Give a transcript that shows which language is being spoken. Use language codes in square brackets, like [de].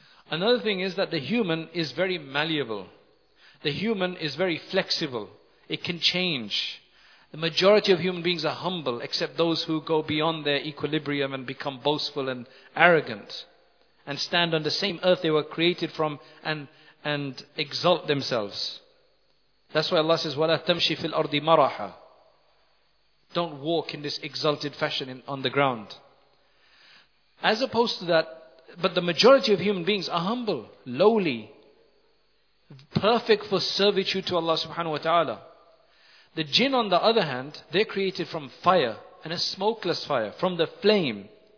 [en] Another thing is that the human is very malleable. The human is very flexible. It can change. The majority of human beings are humble, except those who go beyond their equilibrium and become boastful and arrogant, and stand on the same earth they were created from and exalt themselves. That's why Allah says, [ar] وَلَا تَمْشِي فِي الْأَرْضِ مَرَحًا. [en] Don't walk in this exalted fashion on the ground. As opposed to that, but the majority of human beings are humble, lowly. perfect for servitude to Allah subhanahu wa ta'ala. The jinn, on the other hand, they're created from fire, and a smokeless fire, from the flame.